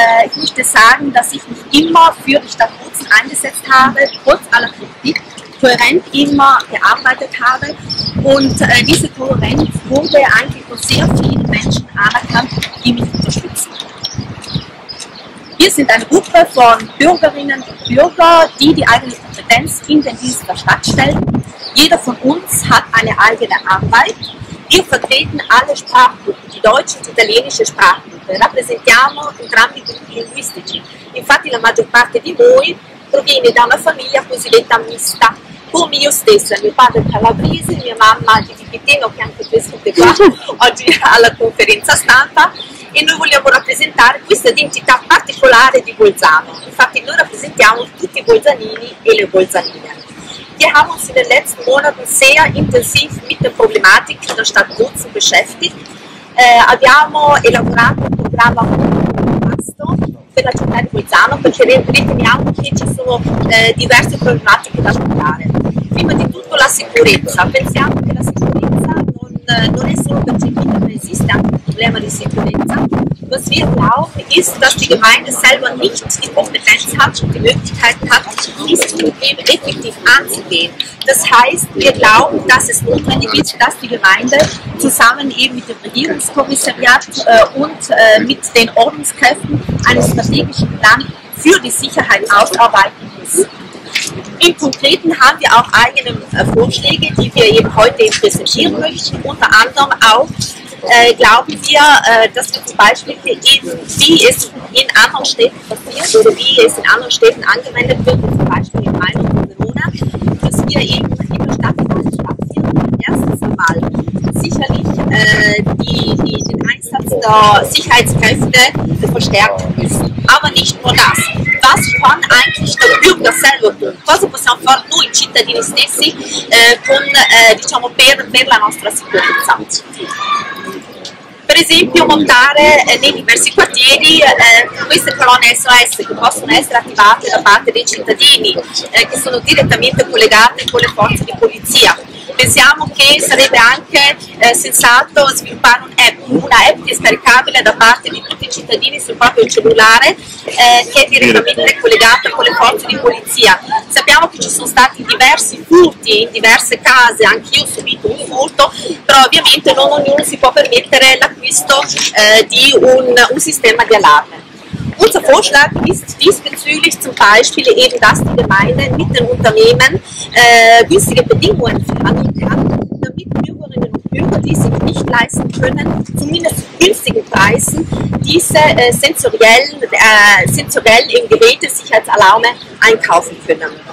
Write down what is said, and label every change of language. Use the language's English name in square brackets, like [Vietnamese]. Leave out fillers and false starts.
[German] Ich möchte sagen, dass ich mich immer für die Stadt Bozen eingesetzt habe, trotz aller Kritik, kohärent immer gearbeitet habe und diese Kohärenz wurde eigentlich von sehr vielen Menschen anerkannt, die mich unterstützen. Wir sind eine Gruppe von Bürgerinnen und Bürgern, die eigene Kompetenz in den Dienst der Stadt stellen. Jeder von uns hat eine eigene Arbeit. Wir vertreten alle Sprachgruppen, die deutsche und italienische Sprachgruppe. [Italian] Rappresentiamo entrambi i gruppi linguistici. Infatti la maggior parte di voi proviene da una famiglia cosiddetta mista, come io stessa, mio padre calabrese, mia mamma di Vipiteno, che anche questo è qua oggi alla conferenza stampa. E noi vogliamo rappresentare questa identità particolare di Bolzano. Infatti noi rappresentiamo tutti i bolzanini e le bolzanine. [German] Wir haben uns in den letzten Monaten sehr intensiv mit der Problematik in der Stadt Bozen beschäftigt. [Italian] Abbiamo elaborato un programma molto per la città di Bolzano, perché riteniamo che ci sono diverse problematiche da affrontare. Prima di tutto la sicurezza. Pensiamo che la sicurezza non è solo percepita, ma esiste anche un problema di sicurezza. [German] Was wir glauben, ist, dass die Gemeinde selber nicht die Kompetenz hat und die Möglichkeit hat, dieses Problem effektiv anzugehen. Das heißt, wir glauben, dass es notwendig ist, dass die Gemeinde zusammen eben mit dem Regierungskommissariat und mit den Ordnungskräften einen strategischen Plan für die Sicherheit ausarbeiten muss. Im Konkreten haben wir auch eigene Vorschläge, die wir eben heute eben präsentieren möchten, unter anderem auch glauben wir, dass wir zum Beispiel, wie es in anderen Städten passiert oder wie es in anderen Städten angewendet wird, zum Beispiel in Mainz und Verona, dass wir eben in der Stadt spazieren, erstens einmal sicherlich den Einsatz der Sicherheitskräfte verstärken müssen. Aber nicht nur das. Was kann eigentlich der Bürger selber tun? [Italian] Cosa possiamo fare noi cittadini stessi con, diciamo, per la nostra sicurezza? Per esempio montare nei diversi quartieri queste colonne SOS che possono essere attivate da parte dei cittadini che sono direttamente collegate con le forze di polizia. Pensiamo che sarebbe anche sensato sviluppare un'app che è scaricabile da parte di tutti i cittadini sul proprio cellulare che è direttamente collegata con le forze di polizia. Sappiamo che ci sono stati diversi furti in diverse case, anch'io ho subito un furto, però ovviamente non ognuno si può permettere l'acquisto di un sistema di allarme. [German] Unser Vorschlag ist diesbezüglich zum Beispiel eben, dass die Gemeinde mit den Unternehmen günstige Bedingungen verhandeln kann, damit Bürgerinnen und Bürger, die sich nicht leisten können, zumindest zu günstigen Preisen diese sensoriellen Geräte, Sicherheitsalarme einkaufen können.